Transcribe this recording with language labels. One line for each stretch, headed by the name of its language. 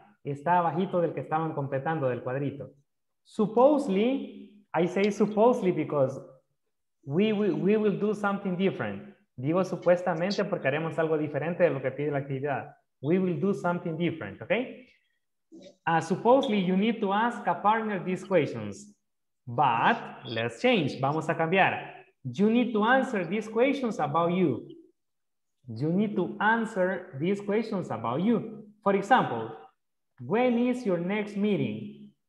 Spanish: Está abajito del que estaban completando del cuadrito.
English: Supposedly, I say supposedly because we will do something different.
Spanish: Digo supuestamente porque haremos algo diferente de lo que pide la actividad.
English: We will do something different, okay? Supposedly, you need to ask a partner these questions. But, let's change,
Spanish: vamos a cambiar.
English: You need to answer these questions about you. You need to answer these questions about you. For example, when is your next meeting?